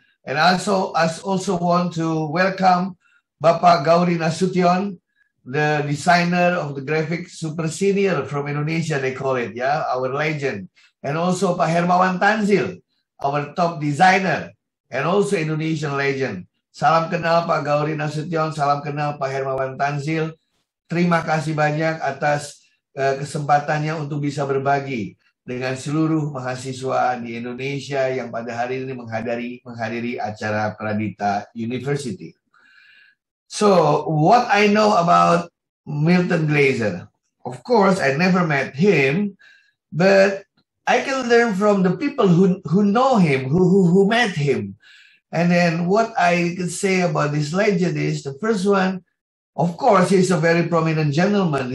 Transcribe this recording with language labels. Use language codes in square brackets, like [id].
[en] And also, I also want to welcome Bapak Gauri Nasution, the designer of the graphic super senior from Indonesia, they call it, yeah, our legend. And also Pak Hermawan Tanzil, our top designer, and also Indonesian legend. [id] Salam kenal Pak Gauri Nasution, salam kenal Pak Hermawan Tanzil. Terima kasih banyak atas kesempatannya untuk bisa berbagi. dengan seluruh mahasiswa di Indonesia yang pada hari ini menghadiri acara Pradita University. [en] So, what I know about Milton Glaser? Of course, I never met him, but I can learn from the people who know him, who met him. And then what I can say about this legend is, the first one, of course, he's a very prominent gentleman.